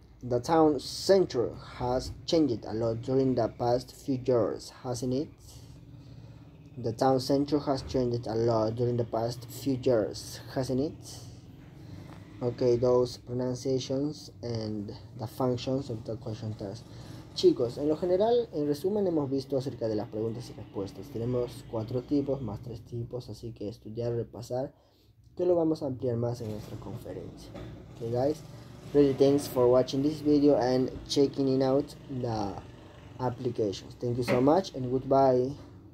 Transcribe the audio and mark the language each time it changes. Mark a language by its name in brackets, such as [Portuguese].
[English] The town center has changed a lot during the past few years, hasn't it? The town center has changed a lot during the past few years, hasn't it? Okay, those pronunciations and the functions of the question tags. [Spanish] Chicos, en lo general, en resumen, hemos visto acerca de las preguntas y respuestas. Tenemos cuatro tipos más tres tipos, así que estudiar, repasar, que lo vamos a ampliar más en nuestra conferencia. [English] Okay, guys, really thanks for watching this video and checking in out the applications. Thank you so much and goodbye.